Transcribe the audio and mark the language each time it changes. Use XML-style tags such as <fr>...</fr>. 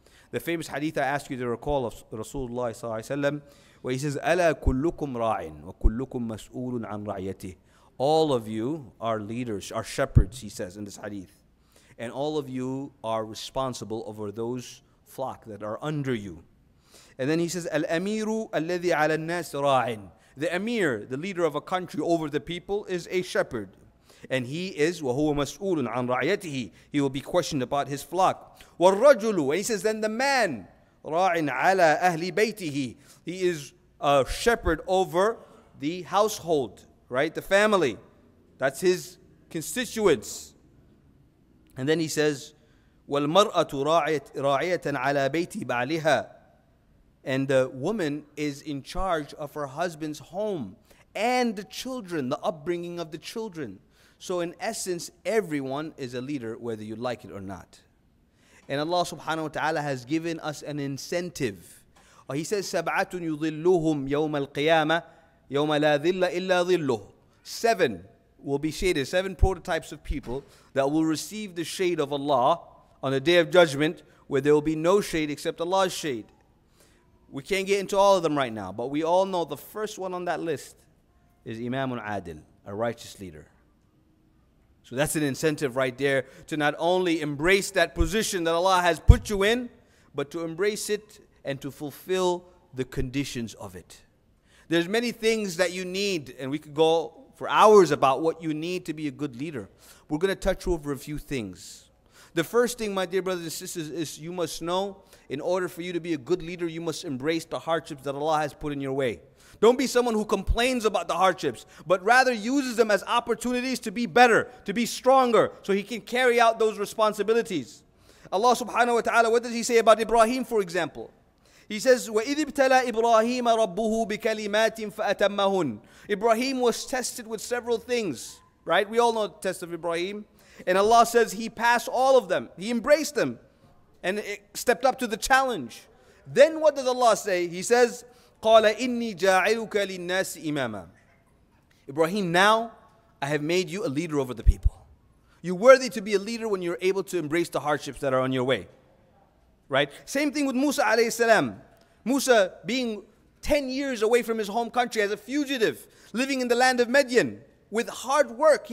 <en>The famous hadith I ask you to recall of Rasulullah sallallahu alayhi wa sallam, where he says,</en> <ar>أَلَا كُلُّكُمْ رَاعٍ وَكُلُّكُمْ مَسْؤُولٌ عَنْ رَعْيَتِهِ.</ar> <en>All of you are leaders, are shepherds, he says in this hadith. And all of you are responsible over those flock that are under you. And then he says,</en> <ar>الْأَمِيرُ الَّذِي عَلَى النَّاسِ رَاعٍ.</ar> <en>The emir, the leader of a country over the people, is a shepherd. And he is,</en> <ar>وَهُوَ مَسْؤُولٌ عَنْ رَعْيَتِهِ.</ar> <en>He will be questioned about his flock.</en> <ar>وَالرَّجُلُ.</ar> <en>And he says, then the man,</en> <ar>رَاعٍ عَلَى أَهْلِ بَيْتِهِ.</ar> <en>He is a shepherd over the household, right? The family. That's his constituents. And then he says,</en> <ar>وَالْمَرْأَةُ رَاعِيَةً عَلَى بَيْتِ بَعْلِهَا.</ar> <en>And the woman is in charge of her husband's home and the children, the upbringing of the children. So in essence, everyone is a leader, whether you like it or not. And Allah subhanahu wa ta'ala has given us an incentive. He says,</en> <ar>سَبْعَةٌ يُظِلُّهُمْ يَوْمَ الْقِيَامَةِ يَوْمَ لَا ذِلَّ إِلَّا ظِلُّهُ.</ar> <en>Seven will be shaded, seven prototypes of people that will receive the shade of Allah on the Day of Judgment, where there will be no shade except Allah's shade. We can't get into all of them right now, but we all know the first one on that list is Imamun Adil, a righteous leader. So that's an incentive right there to not only embrace that position that Allah has put you in, but to embrace it and to fulfill the conditions of it. There's many things that you need, and we could go for hours about what you need to be a good leader. We're going to touch over a few things. The first thing, my dear brothers and sisters, is you must know, in order for you to be a good leader, you must embrace the hardships that Allah has put in your way. Don't be someone who complains about the hardships, but rather uses them as opportunities to be better, to be stronger, so he can carry out those responsibilities. Allah subhanahu wa ta'ala, what does he say about Ibrahim, for example? He says,</en> <ar>وَإِذِ ابْتَلَى إِبْرَاهِيمَ رَبُّهُ بِكَلِمَاتٍ فَأَتَمَّهُنْ.</ar> <en>Ibrahim was tested with several things, right? We all know the test of Ibrahim. And Allah says he passed all of them. He embraced them and stepped up to the challenge. Then what does Allah say? He says,</en> <ar>قَالَ إِنِّي جَاعِلُكَ لِلنَّاسِ إِمَامًا.</ar> <en>Ibrahim, now I have made you a leader over the people. You're worthy to be a leader when you're able to embrace the hardships that are on your way. Right? Same thing with Musa alayhi salam. Musa, being 10 years away from his home country as a fugitive, living in the land of Midian, with hard work.</en>